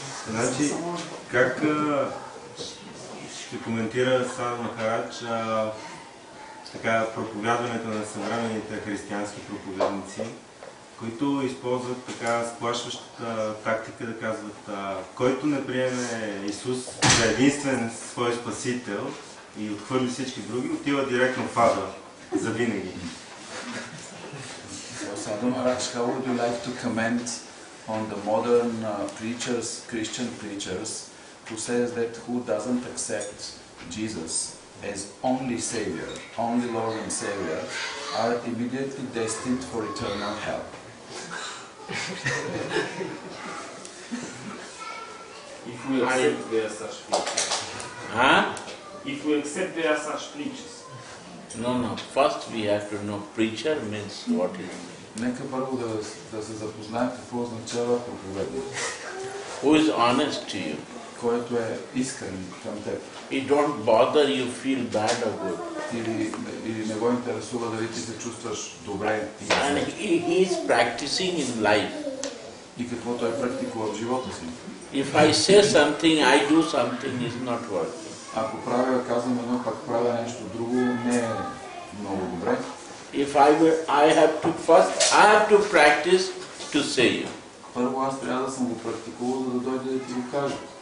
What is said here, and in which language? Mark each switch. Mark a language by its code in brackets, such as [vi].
[bg] Значи, как ще коментира Садху Махарадж така проповядването на съвременните християнски проповедници, които използват така сплашващата тактика да казват, който не приеме Исус за единствен свой спасител и отхвърли всички други, отива директно в ада. [en] So, Sadhu Maharaj, how would you like to comment on the modern preachers, Christian preachers, who says that who doesn't accept Jesus as only Savior, only Lord and Savior, are immediately destined for eternal hell? If we accept there are such preachers. Huh? If we accept there are such preachers. No. First we have to know preacher means what it means. [bg] Нека първо да се запознаем какво означава проповедник. [en] Who is honest to you? [bg] Който е искрен към теб. [en] He don't bother you feel bad or good. [bg] Или не го интересува дали ти се чувстваш добре. [en] And he is practicing in life. [bg] И какво той практикува в живота си. [en] If I say something, I do something, is not working. [bg] Ако правя, казвам едно, пак правя нещо друго, не е много добре. [en] If I will, I have to practice to say you. [bg] Първо аз трябва да съм го практикувал, за да дойде да ти го кажа.